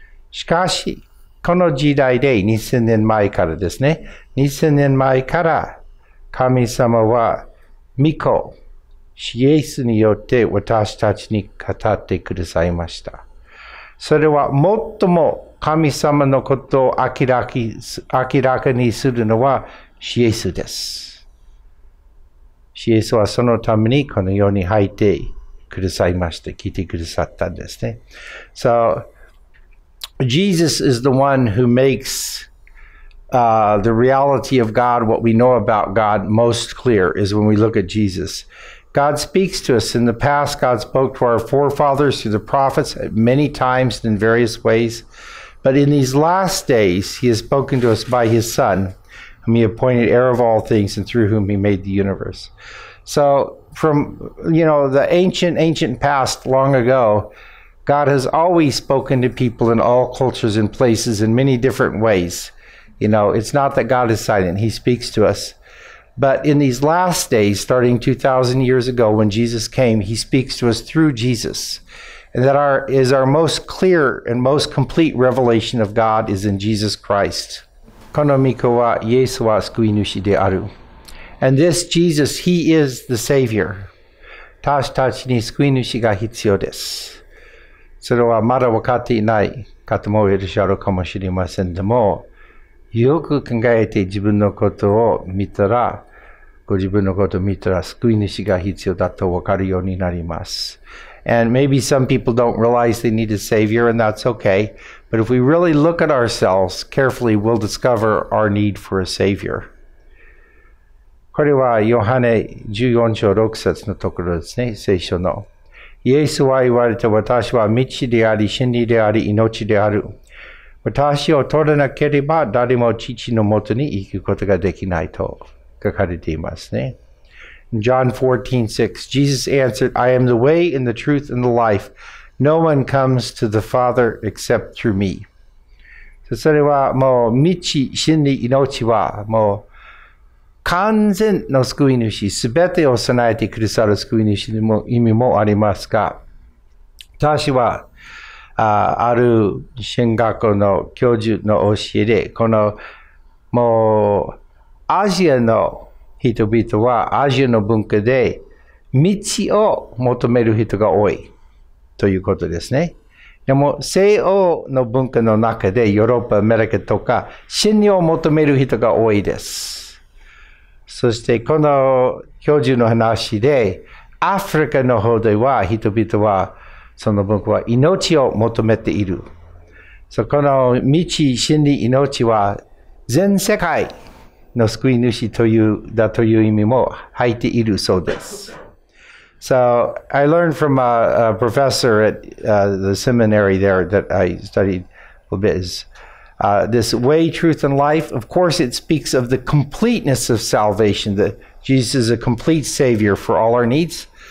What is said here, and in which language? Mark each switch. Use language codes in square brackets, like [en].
[ja] しかし、この時代で2000年前からですね、2000年前から神様は御子、主イエスによって私たちに語ってくださいました。それは最も神様のことを明らかにするのはシエスです。シエスはそのためにこの世に入ってくださいました。聞いてくださったんですね。 [en] So, Jesus is the one who makes, the reality of God, what we know about God most clear is when we look at Jesus. God speaks to us. In the past, God spoke to our forefathers through the prophets many times in various ways. But in these last days, he has spoken to us by his Son, whom he appointed heir of all things and through whom he made the universe. So from, you know, the ancient past long ago, God has always spoken to people in all cultures and places in many different ways. You know, it's not that God is silent. He speaks to us. But in these last days, starting 2,000 years ago when Jesus came, he speaks to us through Jesus. And that is our most clear and most complete revelation of God is in Jesus Christ. [ja] この御子はイエスは救い主である。 [en] And this Jesus, he is the Savior. [ja] 私たちに救い主が必要です。それはまだ分かっていない方もいらっしゃるかもしれませんでも、よく考えて自分のことを見たら、ご自分のことを見たら救い主が必要だと分かるようになります。 [en] And maybe some people don't realize they need a savior and that's okay. But if we really look at ourselves carefully, we'll discover our need for a savior. [ja] これはヨハネ14章6節のところですね、聖書の。イエスは言われた、私は道であり、真理であり、命である。私を取らなければ誰も父のもとに行くことができないと書かれていますね。 [en] John 14:6 Jesus answered, I am the way and the truth and the life. No one comes to the Father except through me. [ja] それはもう道、真理、命はもう完全の救い主、すべてを備えてくださる救い主にも意味もありますが、私はある神学校の教授の教えで、このもうアジアの人々はアジアの文化で道を求める人が多いということですね。でも西欧の文化の中でヨーロッパ、アメリカとか真理を求める人が多いです。そしてこの教授の話でアフリカの方では人々はその僕は命を求めている。そこの道、真理、命は全世界の救い主という意味も入っているそうです。 [en] So I learned from a professor at the seminary there that I studied a little bit. This way, truth, and life, of course it speaks of the completeness of salvation, that Jesus is a complete savior for all our needs.